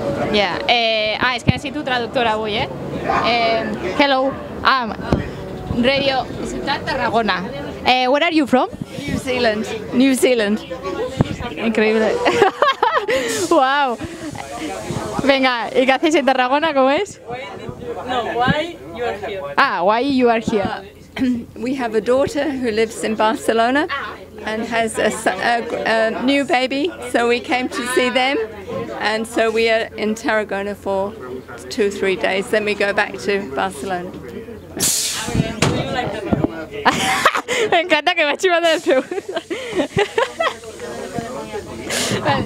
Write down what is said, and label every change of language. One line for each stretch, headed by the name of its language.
Spanish: Yeah, es que necesito traductora hoy, ¿eh?
English: Hello, radio, is that Tarragona? Where are you from? New Zealand. New Zealand.
Spanish: Increíble.
English: Wow.
Spanish: Venga, ¿y qué hacéis en Tarragona? ¿Cómo es?
English: Why you are here. We have a daughter who lives in Barcelona. And has a new baby, so we came to see them, and so we are in Tarragona for 2-3 days, then we go back to Barcelona.
Spanish: Me encanta que me ha chivado las preguntas.